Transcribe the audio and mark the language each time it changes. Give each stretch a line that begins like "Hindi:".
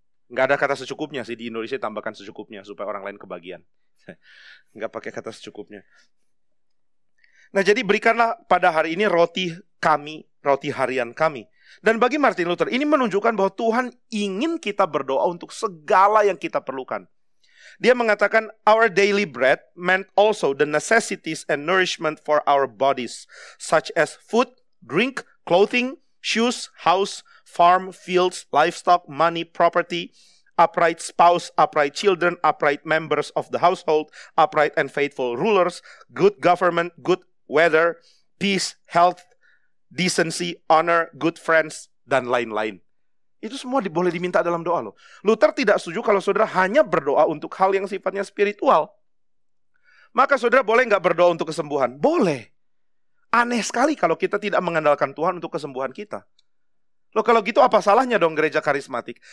Indonesian: Enggak ada kata secukupnya sih, di Indonesia tambahkan secukupnya supaya orang lain kebagian. Enggak pakai kata secukupnya. Nah jadi berikanlah pada hari ini roti kami, roti harian kami. Dan bagi Martin Luther, ini menunjukkan bahwa Tuhan ingin kita berdoa untuk segala yang kita perlukan. Dia mengatakan,
English: our daily bread meant also the necessities and nourishment for our bodies, such as food, drink, clothing, shoes, house, farm, fields, livestock, money, property, upright spouse, upright children, upright members of the household, upright and faithful rulers, good government, good weather, peace, health, decency, honor, good friends,
Indonesian: dan lain-lain. Itu semua boleh diminta dalam doa loh. Luther tidak setuju kalau saudara hanya berdoa untuk hal yang sifatnya spiritual. Maka saudara boleh nggak berdoa untuk kesembuhan? Boleh. Aneh sekali kalau kita tidak mengandalkan Tuhan untuk kesembuhan kita. Loh kalau gitu apa salahnya dong gereja karismatik?